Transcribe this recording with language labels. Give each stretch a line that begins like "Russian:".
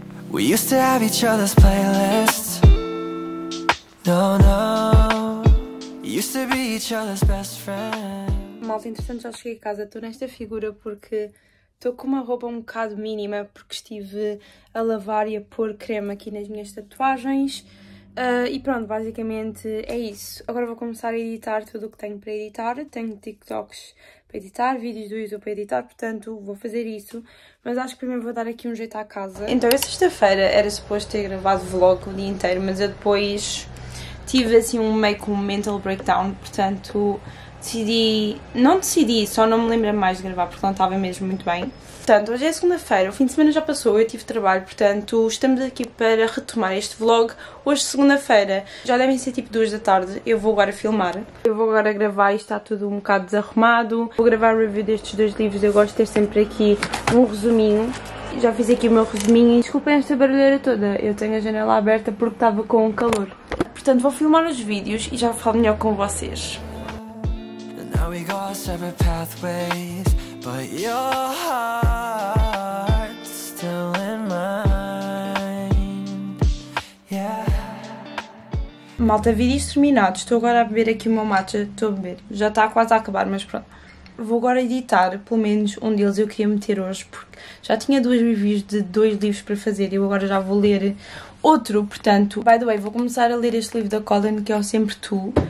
English: We used to have each other's playlists. No, no. Used to be each other's best friend.
Portuguese: Malta, entretanto, já cheguei a casa. Estou nesta figura porque estou com uma roupa um bocado mínima, porque estive a lavar e a pôr creme aqui nas minhas tatuagens. E pronto, basicamente é isso. Agora vou começar a editar tudo o que tenho para editar. Tenho TikToks para editar, vídeos do YouTube para editar, portanto vou fazer isso. Mas acho que primeiro vou dar aqui um jeito à casa. Então, a sexta-feira era suposto ter gravado vlog o dia inteiro, mas eu depois tive assim um meio que um mental breakdown, portanto... Não decidi, só não me lembro mais de gravar, porque não estava mesmo muito bem. Portanto, hoje é segunda-feira, o fim de semana já passou, eu tive trabalho, portanto, estamos aqui para retomar este vlog. Hoje, segunda-feira, já devem ser tipo 2 da tarde, eu vou agora filmar. Eu vou agora gravar e está tudo um bocado desarrumado. Vou gravar o review destes dois livros, eu gosto de ter sempre aqui um resuminho. Já fiz aqui o meu resuminho e desculpem esta barulheira toda, eu tenho a janela aberta porque estava com um calor. Portanto, vou filmar os vídeos e já falo melhor com vocês.
English: Now we go separate pathways, but your heart's still in mine.
Portuguese: Yeah. Malta, vídeos terminados. Estou agora a beber aqui o meu matcha. Estou a beber. Já está quase a acabar, mas pronto. Vou agora editar pelo menos um deles. Eu queria meter hoje porque já tinha 2 reviews de 2 livros para fazer e eu agora já vou ler outro. Portanto,
English: by the way,
Portuguese: vou começar a ler este livro da Colleen que é o Sempre Tu.